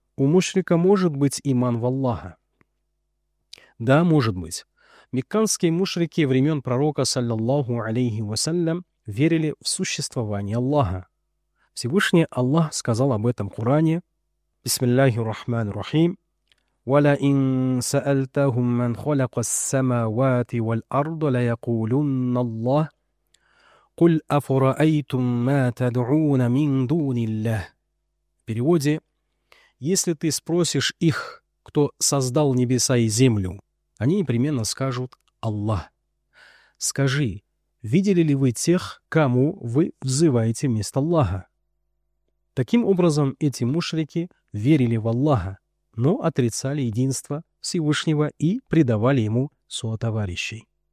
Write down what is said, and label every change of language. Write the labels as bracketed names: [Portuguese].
[Russian] У мушрика может быть иман в Аллаха? Да, может быть. Мекканские мушрики времен пророка, саллиллаху алейхи вассалям, верили в существование Аллаха. Всевышний Аллах сказал об этом в Коране: «Бисмиллахи рахмани рахим». [Arabic] ولئن سألتهم من خلق السماوات والأرض ليقولن الله قل أفرأيتم ما تدعون من دون الله. [Russian] В переводе: если ты спросишь их, кто создал небеса и землю, они непременно скажут: Аллах. Скажи, видели ли вы тех, кому вы взываете вместо Аллаха? Таким образом, эти мушрики верили в Аллаха, но отрицали единство Всевышнего и предавали ему сотоварищей.